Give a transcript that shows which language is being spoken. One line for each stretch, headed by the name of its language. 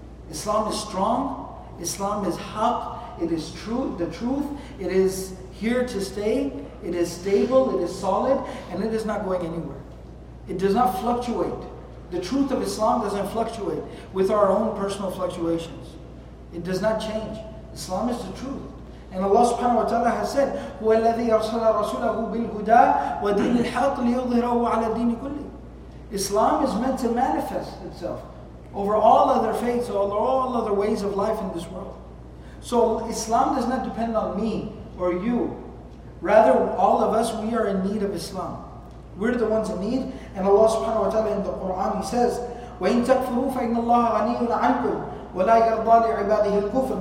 English: Islam is strong. Islam is haq. It is truth, the truth. It is here to stay. It is stable. It is solid. And it is not going anywhere. It does not fluctuate. The truth of Islam doesn't fluctuate with our own personal fluctuations. It does not change. Islam is the truth. And Allah subhanahu wa ta'ala has said,
Arabic: هو الذي أرسل رسوله بالهدى ودين الحق ليظهره على الدين كله.
English: Islam is meant to manifest itself over all other faiths, over all other ways of life in this world. So Islam does not depend on me or you. Rather, all of us, we are in need of Islam. We're the ones in need. And Allah subhanahu wa ta'ala in the Quran, He says,
Arabic: وَإِنْ تَكْفُرُوا فَإِنَّ اللَّهَ غَنِيٌّ عَنْكُمْ وَلَا يَرْضَى لِعِبَادِهِ الْكُفْرِ.